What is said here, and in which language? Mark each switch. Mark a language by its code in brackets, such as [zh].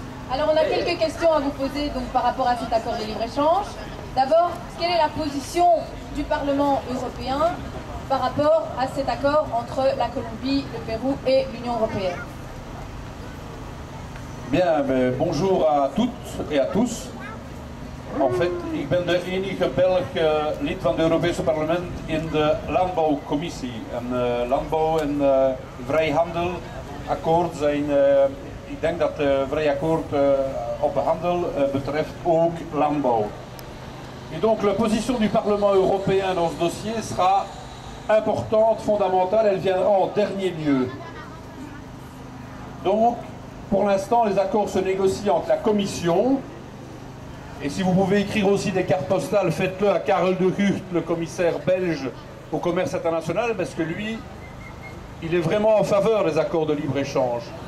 [fr] Alors on a quelques questions à vous poser donc, par rapport à cet accord de libre-échange. D'abord, quelle est la position du Parlement européen par rapport à cet accord entre la Colombie, le Pérou et l'Union européenne? Bien, mais bonjour à toutes et à tous. En fait, [nl] ik ben de enige Belg lid van het Europese parlement in de landbouwcommissie. En landbouw en vrijhandel akkoord zijn, ik denk dat het vrij akkoord op handel betreft ook landbouw. [fr] Et donc la position du Parlement européen dans ce dossier sera importante, fondamentale, elle viendra en dernier lieu. Donc, pour l'instant, les accords se négocient entre la Commission. Et si vous pouvez écrire aussi des cartes postales, faites-le à Karel de Gucht, le commissaire belge au commerce international, parce que lui, il est vraiment en faveur des accords de libre-échange.